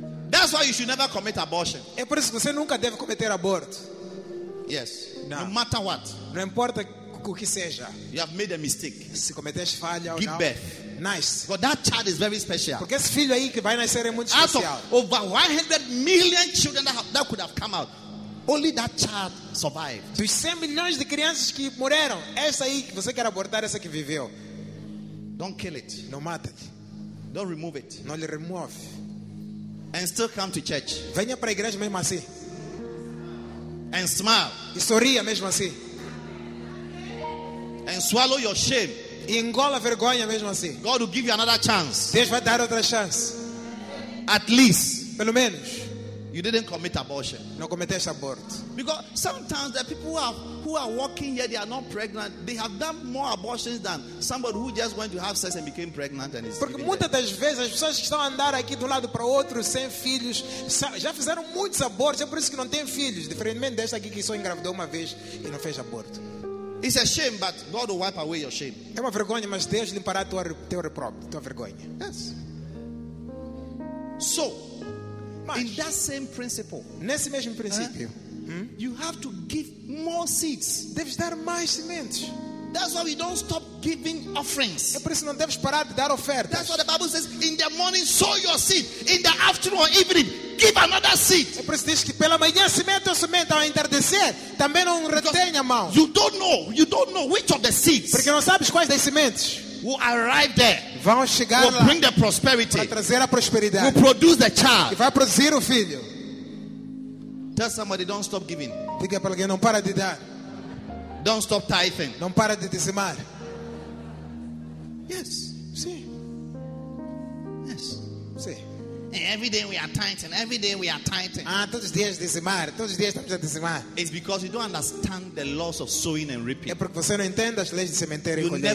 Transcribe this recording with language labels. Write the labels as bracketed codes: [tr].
[en] That's why you should never commit abortion. [pt] É por isso que você nunca deve cometer aborto. [en] Yes. [pt] Não. [en] No matter what. [pt] Não importa o que seja. [en] You have made a mistake. [pt] Se cometeste falha ou [en] give [pt] não. [en] Give birth. Nice. But that child is very special. [pt] Porque esse filho aí que vai nascer é muito especial. [en] Over 100 million children that could have come out, only that child survived. [pt] Dos 100 milhões de crianças que morreram, essa aí que você quer abortar, essa que viveu. [en] Don't kill it. [pt] Não mate. [en] Don't remove it. [pt] Não lhe remove. [en] And still come to church. [pt] Venha para a igreja mesmo assim. [en] And smile. [pt] E sorria mesmo assim. [en] And swallow your shame. [pt] E engola a vergonha mesmo assim. [en] God will give you another chance. [pt] Deus vai dar outra chance. [en] At least. [pt] Pelo menos. [en] You didn't commit abortion. [pt] Não cometeste aborto. [en] Because sometimes the people who are walking here, they are not pregnant. They have done more abortions than somebody who just went to have sex and became pregnant and is. [pt] Porque muitas das vezes as pessoas que estão a andar aqui de um lado para o outro sem filhos já fizeram muitos abortos. É por isso que não têm filhos. Diferentemente desta aqui que só engravidou uma vez e não fez aborto. [en] It's a shame, but God will wipe away your shame. [pt] É uma vergonha, mas Deus limpará teu repróbrio, tua vergonha. [en] Yes. So. In that same principle, [pt] nesse mesmo princípio, [en] you have to give more seeds. [pt] Deves dar mais sementes. [en] That's why we don't stop giving offerings. [pt] É por isso que não deves parar de dar ofertas. [en] That's what the Bible says: in the morning sow your seed, in the afternoon or evening give another seed. [pt] É por isso que diz que pela manhã semente ou semente ao entardecer também não retenha mão. [en] You don't know which of the seeds. [pt] Porque não sabes quais das sementes. [en] Will arrive there. [pt] Vão chegar [en] will [pt] lá. [en] Bring the prosperity. [pt] Vai trazer a prosperidade. [en] Will produce the child. [pt] E vai produzir o filho. [en] Tell somebody don't stop giving. [pt] Diga para alguém não para de dar. [en] Don't stop tithing. [pt] Não para de dizimar. [en] Yes. [pt] Sim. [en] Yes. [pt] Sim. [en] Every day we are tithing. Every day we are tithing. [pt] Ah, todos os dias dizimar. Todos os dias estamos a dizimar. [en] It's because you don't understand the laws of sowing and reaping. [pt] É porque você não entende as leis de sementeira e colheita.